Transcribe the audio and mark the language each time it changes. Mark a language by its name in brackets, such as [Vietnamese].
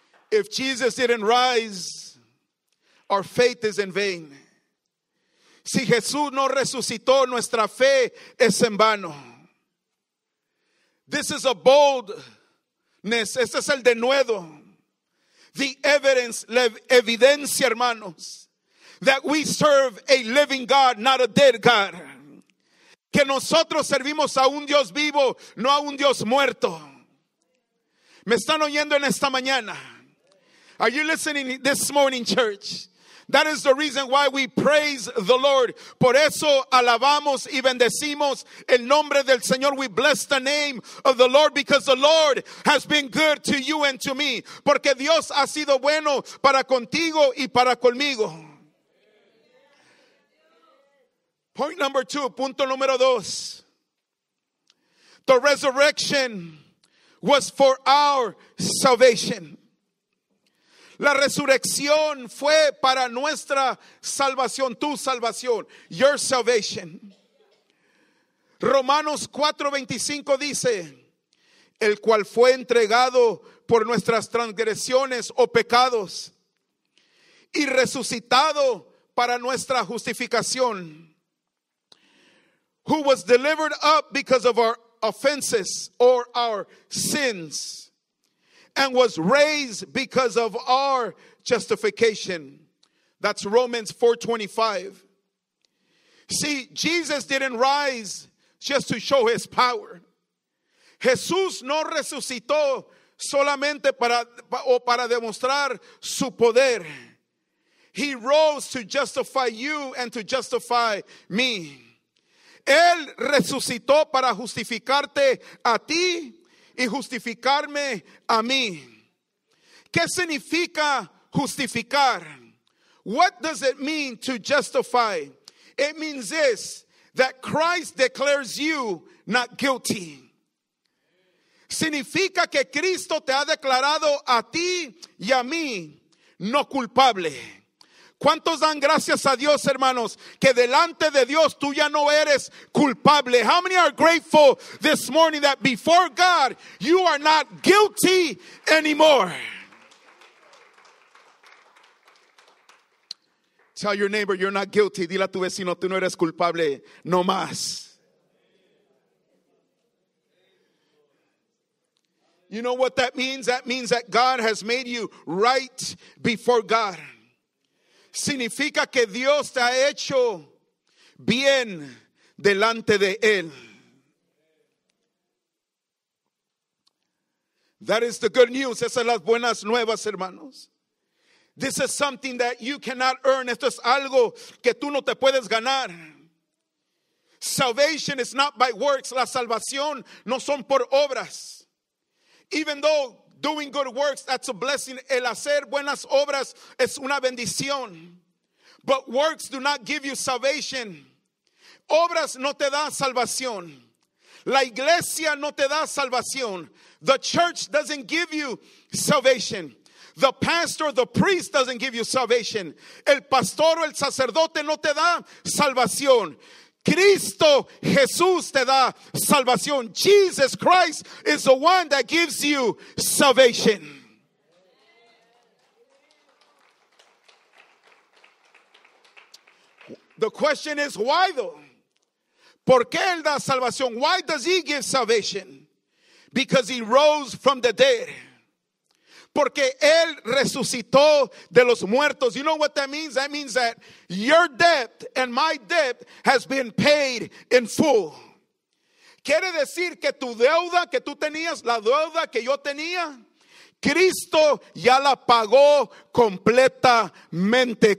[English] If Jesus didn't rise, our faith is in vain. [Spanish] Si Jesús no resucitó, nuestra fe es en vano. [English] This is a boldness. [Spanish] Este es el denuedo. [English] The evidence, [Spanish] la evidencia, hermanos, [English] that we serve a living God, not a dead God. [Spanish] Que nosotros servimos a un Dios vivo, no a un Dios muerto. ¿Me están oyendo en esta mañana? [English] Are you listening this morning, church? That is the reason why we praise the Lord. [Spanish] Por eso alabamos y bendecimos el nombre del Señor. [English] We bless the name of the Lord because the Lord has been good to you and to me. [Spanish] Porque Dios ha sido bueno para contigo y para conmigo. [English] Point number two, [Spanish] punto número dos. [English] The resurrection was for our salvation. [Spanish] La resurrección fue para nuestra salvación, tu salvación, [English] your salvation. [Spanish] Romanos 4:25 dice, el cual fue entregado por nuestras transgresiones o pecados y resucitado para nuestra justificación. [English] Who was delivered up because of our offenses or our sins. And was raised because of our justification. That's Romans 4:25. See, Jesus didn't rise just to show his power. [Spanish] Jesús no resucitó solamente para o para demostrar su poder. [English] He rose to justify you and to justify me. [Spanish] Él resucitó para justificarte a ti y justificarme a mí. ¿Qué significa justificar? [English] What does it mean to justify? It means this, that Christ declares you not guilty. [Spanish] Significa que Cristo te ha declarado a ti y a mí no culpable. ¿Cuántos dan gracias a Dios, hermanos, que delante de Dios tú ya no eres culpable? [English] How many are grateful this morning that before God you are not guilty anymore? Tell your neighbor, you're not guilty. [Spanish] Dile a tu vecino, tú no eres culpable, no más. [English] You know what that means? That means that God has made you right before God. [Spanish] Significa que Dios te ha hecho bien delante de Él. [English] That is the good news. [Spanish] Esas son las buenas nuevas, hermanos. [English] This is something that you cannot earn. [Spanish] Esto es algo que tú no te puedes ganar. [English] Salvation is not by works. [Spanish] La salvación no son por obras. [English] Even though doing good works, that's a blessing. [Spanish] El hacer buenas obras es una bendición. [English] But works do not give you salvation. [Spanish] Obras no te da salvación. La iglesia no te da salvación. [English] The church doesn't give you salvation. The pastor, the priest doesn't give you salvation. [Spanish] El pastor o el sacerdote no te da salvación. Cristo Jesús te da salvación. [English] Jesus Christ is the one that gives you salvation. The question is, why though? [Spanish] ¿Por qué él da salvación? [English] Why does he give salvation? Because he rose from the dead. [Spanish] Porque él resucitó de los muertos. [English] You know what that means? That means that your debt and my debt has been paid in full. [Spanish] Quiere decir que tu deuda que tú tenías, la deuda que yo tenía, Cristo ya la pagó completamente.